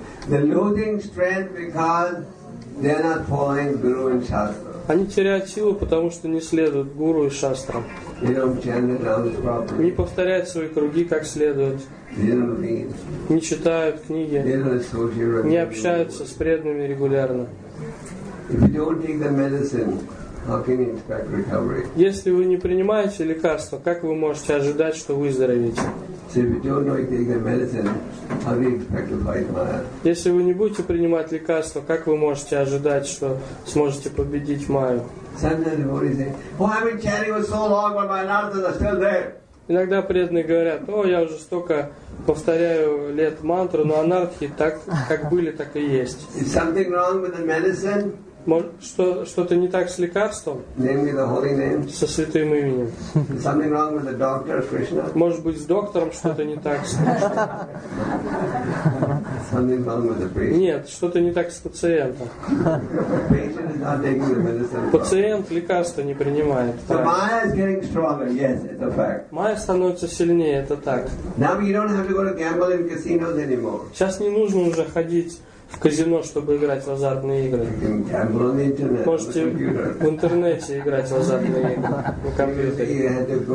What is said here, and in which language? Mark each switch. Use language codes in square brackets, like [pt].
[en] They're losing strength because they're not following Guru and Shastra. [ru] Они теряют силу, потому что не следуют Гуру и Шастрам. [en] They don't chant it out properly. [ru] Не повторяют свои круги как следует. [en] They don't read. [ru] Не читают книги. [en] They don't associate with [ru] Не общаются с преданными регулярно. [en] If you don't take the medicine, how can you expect recovery? [ru] Если вы не принимаете лекарства, как вы можете ожидать, что выздоровеете? [en] So if you don't know you take the medicine, how do you expect to fight Maya? [ru] Если вы не будете принимать лекарства, как вы можете ожидать, что сможете победить Майю? [en] Sometimes devotees say, "Oh, I've been chanting for so long, but my nardas are still there." [ru] Иногда преданные говорят, о, я уже столько повторяю лет мантру, но анардхи так, как были, так и есть. [en] Is something wrong with the medicine? [ru] Что-то не так с лекарством? [en] Namely the holy name. [ru] Со святым именем. [en] Is something wrong with the doctor, Krishna? [ru] Может быть, с доктором что-то не так с [en] Krishna? Something wrong with the patient. [ru] Нет, что-то не так с пациентом. [en] Patient is not taking the medicine. [ru] Пациент лекарства не принимает. [en] So Maya is getting stronger. Yes, it's a fact. [ru] Maya становится сильнее, это так. [en] Now you don't have to go to gamble in casinos anymore. [ru] Сейчас не нужно уже ходить в казино, чтобы играть в азартные игры. Можете в интернете играть в азартные игры на компьютере.